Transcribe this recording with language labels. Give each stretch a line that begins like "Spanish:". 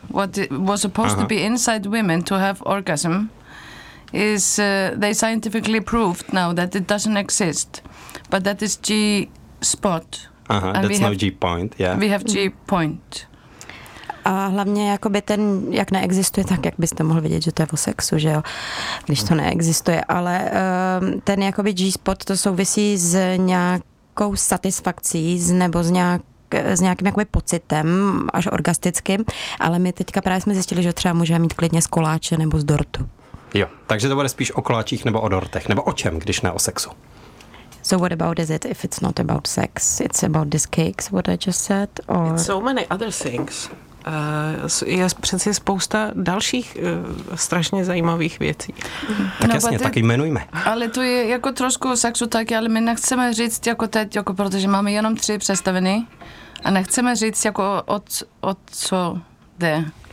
English: What was supposed to be inside women to have orgasm is they scientifically proved now that it doesn't exist, but that is G spot. Aha, and that's no G point. Yeah, we have G point.
Czech: A hlavně jakoby ten, jak neexistuje, tak jak byste mohl vidět, že to je o sexu, že jo, když to neexistuje. Ale ten jakoby G spot to souvisí s nějakou satisfakcí, s nějakým jakoby pocitem, až orgastickým, ale my teďka právě jsme zjistili, že třeba můžeme mít klidně z koláče nebo z dortu. Jo, takže to bude spíš o koláčích nebo o dortech, nebo o čem, když ne o sexu.
English: So what about is it if it's not about sex? It's about these cakes, what I just said? Or... It's so many other things.
Czech: Je přeci spousta dalších strašně zajímavých věcí. Tak no, jasně, tak jmenujme. Ale to je jako trošku sexu taky, ale my nechceme říct jako teď, jako protože máme jenom tři představeny a nechceme říct jako od co jde.